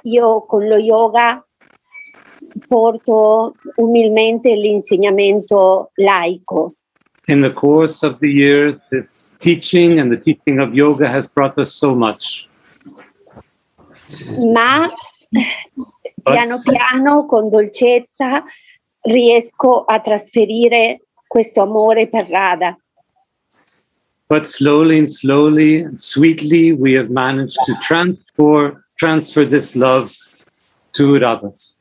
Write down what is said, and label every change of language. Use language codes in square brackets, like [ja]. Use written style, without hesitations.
[it] Io con lo yoga porto umilmente l'insegnamento laico. [en] In the course of the years, this teaching and the teaching of yoga has brought us so much. [it] Ma piano piano, con dolcezza, riesco a trasferire questo amore per Radha. [en] But slowly and slowly and sweetly we have managed to transfer this love to Radha.